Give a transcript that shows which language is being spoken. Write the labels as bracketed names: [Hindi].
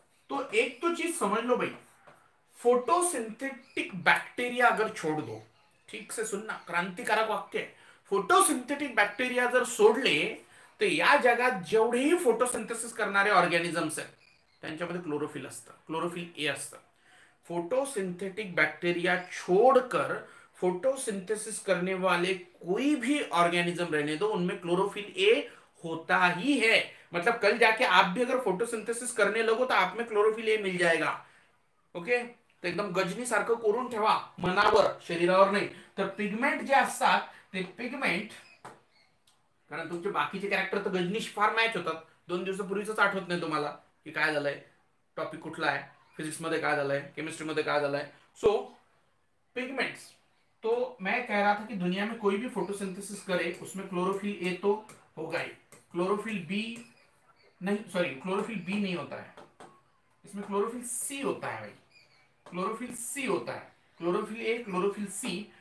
[Hindi] तो एक तो चीज समझ लो भाई, फोटोसिंथेटिक बैक्टीरिया अगर छोड़ दो, ठीक से सुनना, क्रांतिकारक वाक्य है, [Marathi] फोटोसिंथेटिक बैक्टीरिया जर सोडले तर या जगात जेवढेही फोटोसिंथेसिस करणारे ऑर्गॅनिझम्स आहेत त्यांच्यामध्ये क्लोरोफिल असतं, क्लोरोफिल ए असतं। [Hindi] फोटोसिंथेटिक बैक्टीरिया छोडकर फोटोसिंथेसिस करने वाले कोई भी ऑर्गेनिज्म रहने दो, उनमें क्लोरोफिल ए होता ही है। मतलब कल जाके आप भी अगर फोटोसिंथेसिस करने लगो तो आप में क्लोरोफिल ए मिल जाएगा। [Marathi] ओके, तो एकदम गजनी सारखं करून ठेवा मनावर, शरीरावर नाही। तर पिगमेंट जे असतात ते पिगमेंट, कारण तुमचे बाकीचे कॅरेक्टर तर गजनीश फार मॅच होतात, दोन दिवसापूर्वीच आठवत नाही तुम्हाला की काय झालंय, टॉपिक कुठला आहे, फिजिक्स मध्ये काय झालंय, केमिस्ट्री मध्ये काय झालंय। [Hindi] सो पिगमेंट्स, तो मैं कह रहा था कि दुनिया में कोई भी फोटोसिंथेसिस करे उसमें क्लोरोफिल ए तो होगा ही, क्लोरोफिल बी नहीं होता है, इसमें क्लोरोफिल सी होता है भाई, क्लोरोफिल सी होता है, क्लोरोफिल ए, क्लोरोफिल सी।